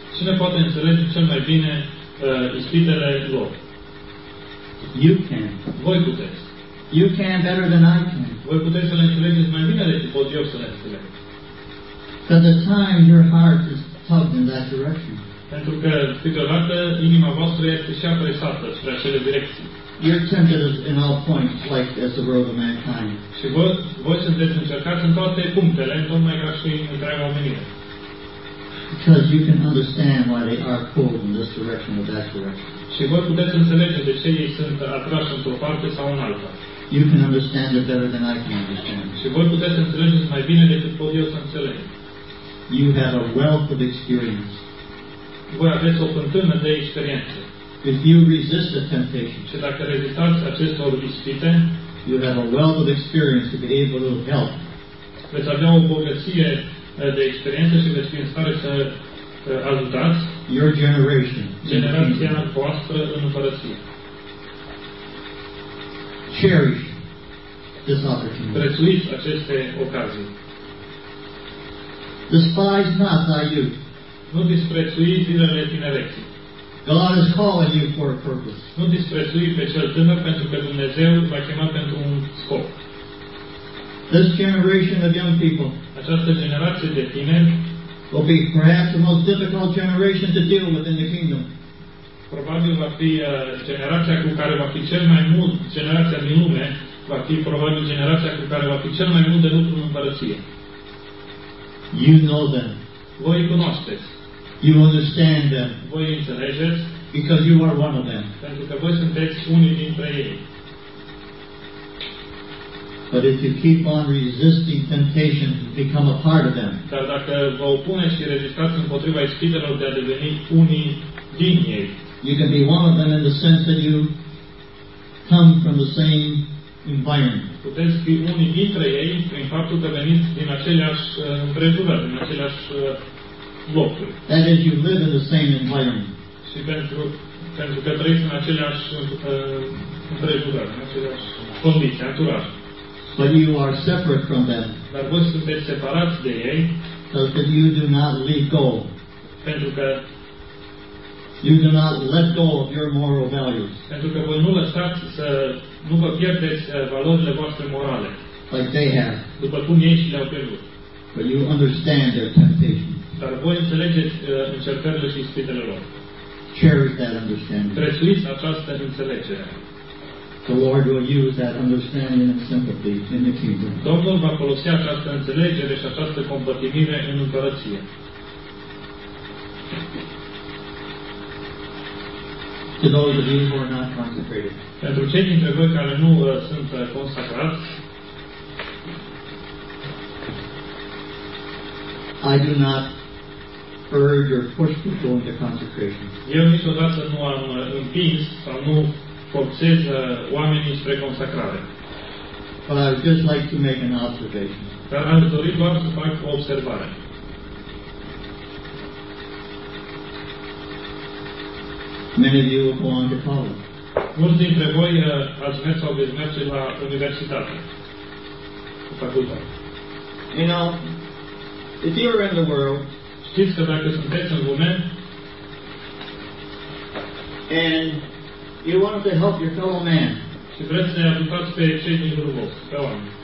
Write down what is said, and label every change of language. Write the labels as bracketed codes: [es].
[ro] Cine poate înțelege cel mai bine ispitele lor? [en] You can. [ro] Voi puteți. [en] You can better than I can. [ro] Voi puteți să le înțelegeți mai bine decât pot eu să le înțeleg. [en] That the time your heart is tugged in that direction. [ro] Pentru că câteodată inima voastră este și apresată spre acele direcții. [en] You're tempted in all points, like as the world of mankind. [ro] Și voi sunteți încercați în toate punctele, tocmai ca și întreaga omenire. [en] Because you can understand why they are pulled in this direction or that direction. [ro] Și voi puteți înțelege de ce ei sunt atrași într-o parte sau în alta. [en] You can understand it better than I can understand. [ro] Și voi puteți înțelege mai bine decât pot eu să înțeleg. [en] You have a wealth of experience. [ro] Voi aveți o fântână de experiență. [en] If you resist the temptation, [ro] și dacă rezistați acestor ispite, [en] you have a wealth of experience to be able to help. [ro] Veți avea o bogăție de experiență și veți fi în stare să ajutați [en] your generation, [ro] generația voastră în împărăție. [en] Cherish this opportunity. [ro] Prețuiți aceste ocazii. [en] Despise not thy youth. [ro] Nu disprețui zilele tinereții. [en] God is calling you for a purpose. [ro] Nu disprețui pe cel tânăr pentru că Dumnezeu v-a chemat pentru un scop. [en] This generation of young people. [ro] Această generație de tineri [en] will be perhaps the most difficult generation to deal with in the kingdom. [ro] probabil va fi generația cu care va fi cel mai mult, generația din lume, va fi probabil generația cu care va fi cel mai mult de lucru în împărăție. [en] You know them. [ro] Voi îi cunoașteți. [en] You understand them. [ro] Voi îi înțelegeți. [en] Because you are one of them. [ro] Pentru că voi sunteți unii dintre ei. [en] But if you keep on resisting temptation to become a part of them. [ro] Dar dacă vă opuneți și rezistați împotriva ispitelor de a deveni unii din ei. [en] You can be one of them in the sense that you come from the same environment. [ro] Puteți fi unii dintre ei prin faptul că veniți din aceleași împrejurări, din aceleași locuri. [en] That is, you live in the same environment. [ro] Și pentru că trăiți în aceleași împrejurări, în aceleași condiții, anturaj. [en] But you are separate from them. [ro] Dar voi sunteți separați de ei. [en] So that you do not let go. [ro] Pentru că [en] you do not let go of your moral values. [ro] Pentru că voi nu lăsați să nu vă pierdeți valorile voastre morale. [en] Like they have. [ro] După cum ei și le-au pierdut. [en] But you understand their temptation. [ro] Dar voi înțelegeți încercările și ispitele lor. [en] Cherish that understanding. [ro] Prețuiți această înțelegere. [en] The Lord will use that understanding and sympathy in the kingdom. [ro] Domnul va folosi această înțelegere și această compătimire în împărăție. [en] To those of you who are not consecrated. [ro] Pentru cei dintre voi care nu sunt consacrați, [en] I do not urge or push people into consecration. [ro] Eu niciodată nu am împins sau nu forțez oamenii spre consacrare. [en] But I would just like to make an observation. [ro] Dar aș dori doar să fac o observare. [en] Many of you will go on to college. [ro] Mulți dintre voi ați mers sau veți merge la universitate. La facultate. [en] You know, if you are in the world, [ro] știți că dacă sunteți în lume, [en] and you want to help your fellow man. [ro] Și vreți să-i ajutați pe cei din jurul vostru, pe oameni.